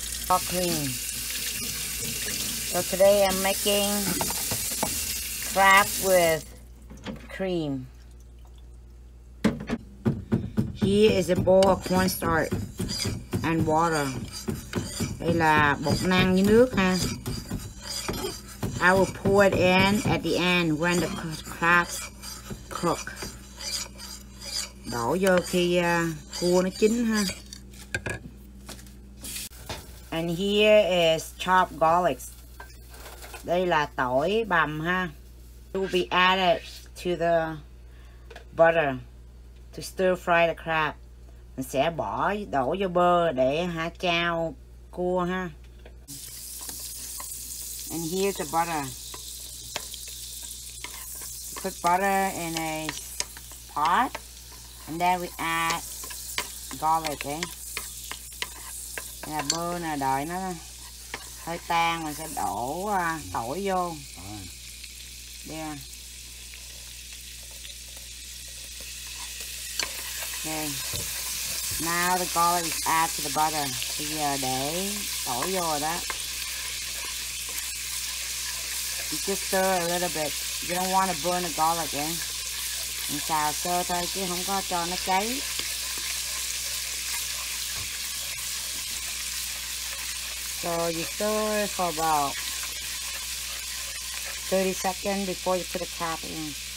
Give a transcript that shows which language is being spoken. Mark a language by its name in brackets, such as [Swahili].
[English] All clean. So today I'm making crab with cream. Here is a bowl of cornstarch and water. [Vietnamese] Đây là bột năng với nước ha. [English] I will pour it in at the end when the crabs cook. [Vietnamese] Đổ vô khi cua nó chín ha. [English] And here is chopped garlic. [Vietnamese] Đây là tỏi bằm ha. [English] It will be added to the butter to stir fry the crab. [Vietnamese] Mình sẽ bỏ đổ vô bơ để hả chao cua ha. [English] And here's the butter. Put butter in a pot and then we add garlic, okay? [Vietnamese] Nè bơ nè, đợi nó hơi tan mình sẽ đổ tỏi vô. [English] Yeah. Okay. Now the garlic is added to the butter. [Vietnamese] Bây giờ để tỏi vô rồi đó. [English] You just stir a little bit. You don't want to burn the garlic, eh? [Vietnamese] Mình xào sơ thôi chứ không có cho nó cháy. [English] So you stir it for about 30 seconds before you put the crab in.